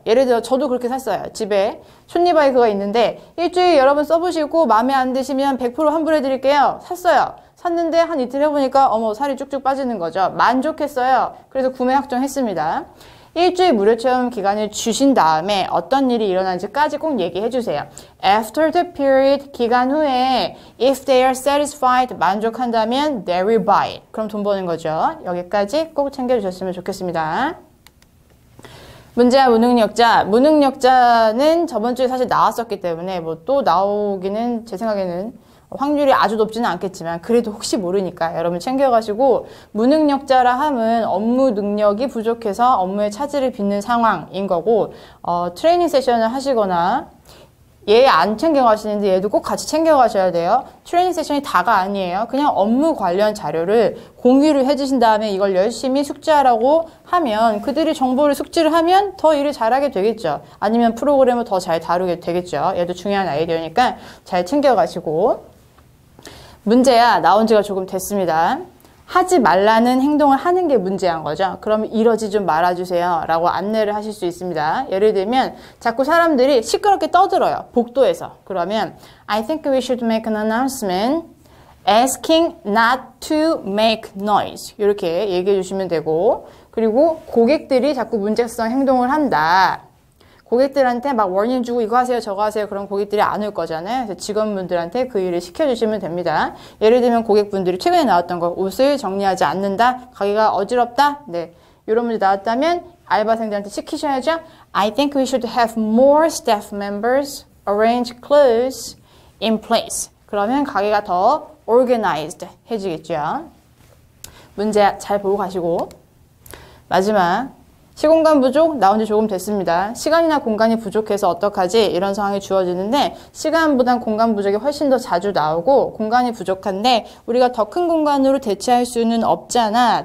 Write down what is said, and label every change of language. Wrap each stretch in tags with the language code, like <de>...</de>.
<ko>예를 들어 저도 그렇게 샀어요. 집에 촛니 바이크가 있는데 일주일 여러분 써보시고 마음에 안 드시면 100% 환불해드릴게요. 샀어요. 샀는데 한 이틀 해보니까 어머 살이 쭉쭉 빠지는 거죠. 만족했어요. 그래서 구매 확정했습니다. 일주일 무료 체험 기간을 주신 다음에 어떤 일이 일어난지까지 꼭 얘기해 주세요.</ko> <en>After the period</en> <ko>기간 후에</ko> <en>if they are satisfied</en> <ko>만족한다면</ko> <en>they will buy it.</en> <ko>그럼 돈 버는 거죠. 여기까지 꼭 챙겨 주셨으면 좋겠습니다. 문제와 무능력자. 무능력자는 저번 주에 사실 나왔었기 때문에 뭐 또 나오기는 제 생각에는 확률이 아주 높지는 않겠지만 그래도 혹시 모르니까 여러분 챙겨가시고 무능력자라 함은 업무 능력이 부족해서 업무에 차질을 빚는 상황인 거고 트레이닝 세션을 하시거나 얘 안 챙겨가시는데 얘도 꼭 같이 챙겨가셔야 돼요. 트레이닝 세션이 다가 아니에요. 그냥 업무 관련 자료를 공유를 해주신 다음에 이걸 열심히 숙지하라고 하면 그들이 정보를 숙지를 하면 더 일을 잘하게 되겠죠. 아니면 프로그램을 더 잘 다루게 되겠죠. 얘도 중요한 아이디어니까 잘 챙겨가시고 문제야 나온 지가 조금 됐습니다. 하지 말라는 행동을 하는 게 문제인 거죠. 그럼 이러지 좀 말아주세요 라고 안내를 하실 수 있습니다. 예를 들면 자꾸 사람들이 시끄럽게 떠들어요. 복도에서.</ko> <en>그러면 I think we should make an announcement asking not to make noise.</en> <ko>이렇게 얘기해 주시면 되고 그리고 고객들이 자꾸 문제성 행동을 한다. 고객들한테 막 워닝 주고 이거 하세요 저거 하세요 그런 고객들이 안 올 거잖아요. 그래서 직원분들한테 그 일을 시켜주시면 됩니다. 예를 들면 고객분들이 최근에 나왔던 거 옷을 정리하지 않는다 가게가 어지럽다 네 이런 문제 나왔다면 알바생들한테 시키셔야죠.</ko> <en>I think we should have more staff members arrange clothes in place.</en> <ko>그러면 가게가 더 organized 해지겠죠. 문제 잘 보고 가시고 마지막 시공간 부족 나온 지 조금 됐습니다. 시간이나 공간이 부족해서 어떡하지? 이런 상황이 주어지는데 시간보단 공간 부족이 훨씬 더 자주 나오고 공간이 부족한데 우리가 더 큰 공간으로 대체할 수는 없잖아.</ko>